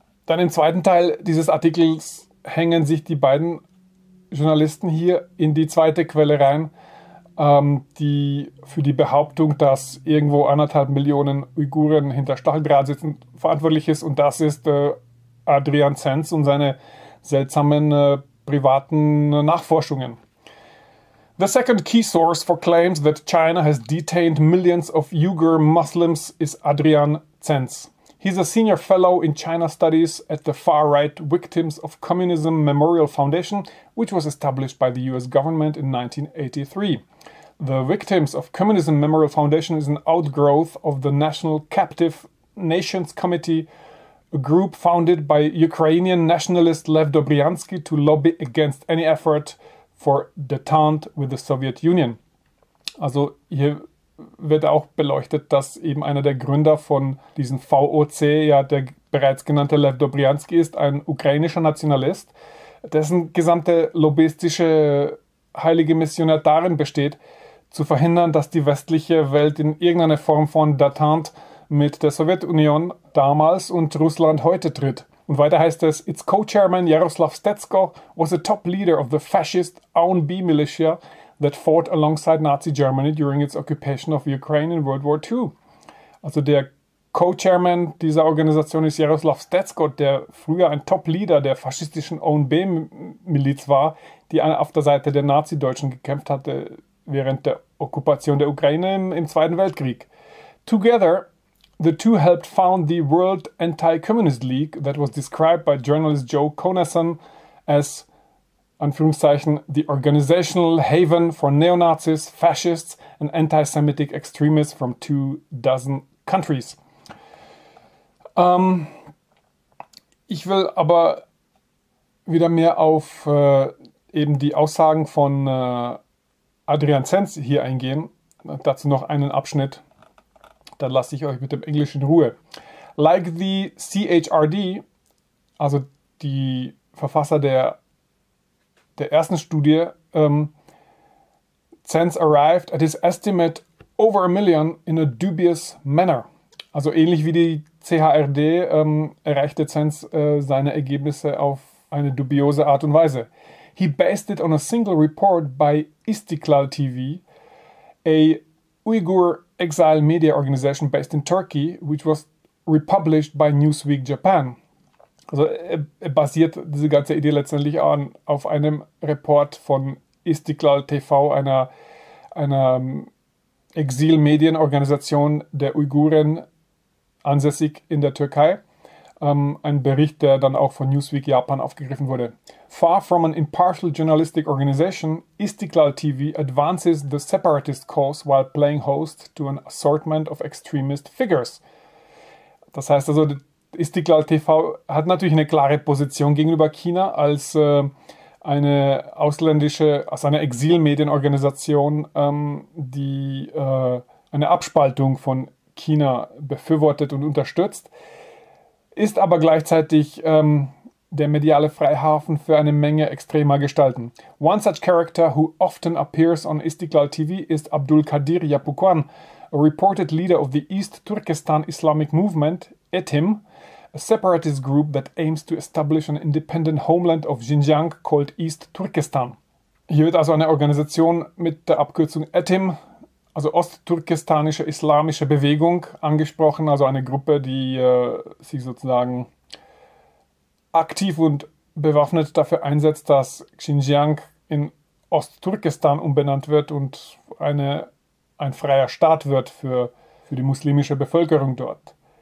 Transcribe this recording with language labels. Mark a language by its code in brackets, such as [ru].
[de] Dann im zweiten Teil dieses Artikels hängen sich die beiden Journalisten hier in die zweite Quelle rein, die für die Behauptung, dass irgendwo 1,5 Millionen Uiguren hinter Stacheldraht sitzen, verantwortlich ist. Und das ist Adrian Zenz und seine seltsamen privaten Nachforschungen. [en] The second key source for claims that China has detained millions of Uyghur Muslims is Adrian Zenz. He's a senior fellow in China studies at the far-right Victims of Communism Memorial Foundation, which was established by the US government in 1983. The Victims of Communism Memorial Foundation is an outgrowth of the National Captive Nations Committee, a group founded by Ukrainian nationalist Lev Dobryansky to lobby against any effort for detente with the Soviet Union. [de] Also hier wird auch beleuchtet, dass eben einer der Gründer von diesem VOC, ja, der bereits genannte Lev Dobryansky, ist ein ukrainischer Nationalist, dessen gesamte lobbyistische heilige Mission darin besteht, zu verhindern, dass die westliche Welt in irgendeiner Form von Detente mit der Sowjetunion damals und Russland heute tritt. Und weiter heißt es, [en] its co-chairman Jaroslav Stetsko was a top leader of the fascist ONB militia that fought alongside Nazi Germany during its occupation of Ukraine in World War II. [de] Also der Co-Chairman dieser Organisation ist Jaroslav Stetsko, der früher ein Top-Leader der faschistischen ONB-Miliz war, die auf der Seite der Nazi-Deutschen gekämpft hatte während der Okkupation der Ukraine im Zweiten Weltkrieg. [en] Together, the two helped found the World Anti-Communist League that was described by journalist Joe Konassan as, [de] Anführungszeichen, [en] the organizational haven for neo-Nazis, fascists and anti-Semitic extremists from 2 dozen countries. [de] Ich will aber wieder mehr auf eben die Aussagen von Adrian Zenz hier eingehen. Dazu noch einen Abschnitt, dann lasse ich euch mit dem Englischen in Ruhe. [en] Like the CHRD, [de] also die Verfasser der ersten Studie, [en] Zenz arrived at his estimate over a million in a dubious manner. [de] Also ähnlich wie die CHRD erreichte Zenz seine Ergebnisse auf eine dubiose Art und Weise. [en] He based it on a single report by Istiklal TV, a Uyghur exile media organization based in Turkey, which was republished by Newsweek Japan. [de] Also er basiert diese ganze Idee letztendlich auf einem Report von Istiklal TV, einer Exil-Medienorganisation der Uiguren, ansässig in der Türkei. Ein Bericht, der dann auch von Newsweek Japan aufgegriffen wurde. [en] Far from an impartial journalistic organization, Istiklal TV advances the separatist cause while playing host to an assortment of extremist figures. [de] Das heißt also, Istiklal TV hat natürlich eine klare Position gegenüber China als eine ausländische, als eine Exilmedienorganisation, die eine Abspaltung von China befürwortet und unterstützt, ist aber gleichzeitig der mediale Freihafen für eine Menge extremer Gestalten. [en] One such character who often appears on Istiklal TV is Abdulkadir Yapukwan, a reported leader of the East Turkestan Islamic Movement, ETIM, a separatist group that aims to establish an independent homeland of Xinjiang called East Turkestan. [de] Hier wird also eine Organisation mit der Abkürzung ETIM, also Ostturkestanische Islamische Bewegung, angesprochen, also eine Gruppe, die sich sozusagen aktiv und bewaffnet dafür einsetzt, dass Xinjiang in Ostturkestan umbenannt wird und ein freier Staat wird für die muslimische Bevölkerung dort.